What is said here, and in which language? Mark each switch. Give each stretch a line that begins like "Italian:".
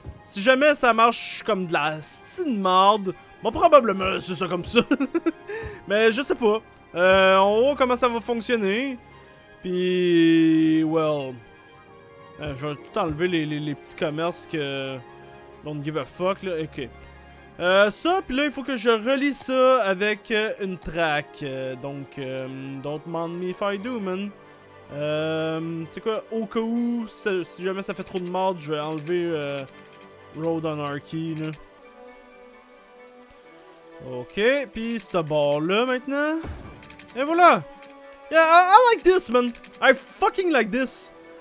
French: Si jamais ça marche comme de la stine marde, bon, probablement c'est ça comme ça. Mais je sais pas. On va voir comment ça va fonctionner. Puis,
English: well.
French: Je vais tout enlever les petits commerces que.
English: Don't give a fuck,
French: là. Ok. Ça, puis là, il faut que je relie ça avec une track. Donc,
English: don't mind me if I do, man.
French: Tu sais quoi, au cas où, si jamais ça fait trop de mal, je vais enlever Road Anarchy, là. Ok, pis c'est à bord là maintenant. Et voilà!
English: Yeah, I like this, man! I fucking like this!